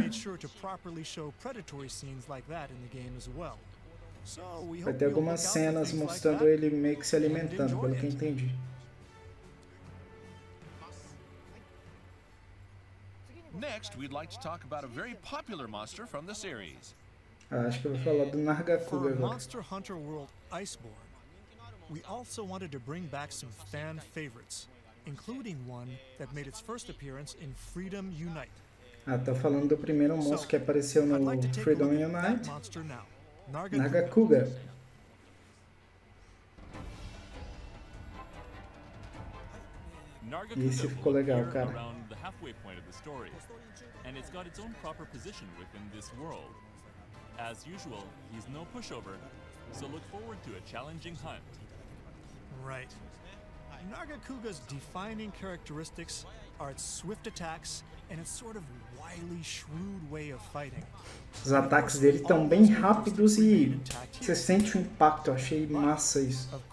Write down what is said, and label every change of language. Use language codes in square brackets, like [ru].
[en] Made sure to properly show predatory scenes like that in the game as well. [pt] Vai ter algumas cenas mostrando ele meio que se alimentando, pelo que entendi. [en] Next, we'd like to talk about a very popular monster from the series. [pt] Acho que eu vou falar do Nargacuga agora. [en] Monster Hunter World Iceborne. We also wanted to bring back some fan favorites, including one that made its first appearance in Freedom Unite. [pt] Ah, tá falando do primeiro monstro que apareceu no Freedom Unite. [en] Nargacuga. [pt] Isso ficou legal, cara. [en] Around the halfway point of the story, and it's got its own proper position within this world. As usual, he's no pushover, so look forward to a challenging hunt. Right. Nargacuga's defining characteristics are its swift attacks and its sort of wily, shrewd way of fighting. [pt] Os ataques dele estão bem rápidos e você sente o impacto. Achei massa isso.